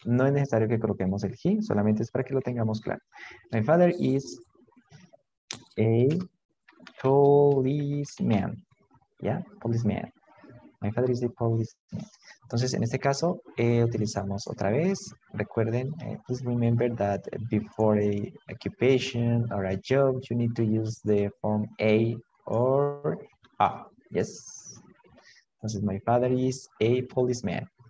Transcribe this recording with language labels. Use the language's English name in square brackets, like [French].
[Spanish] No es necesario que coloquemos el he, solamente es para que lo tengamos claro. [English] My father is a policeman, yeah, policeman. My father is a policeman. [Spanish] Entonces, en este caso, utilizamos otra vez. Recuerden, [English] please remember that before a occupation or a job, you need to use the form A or A. Yes. Entonces, my father is a policeman.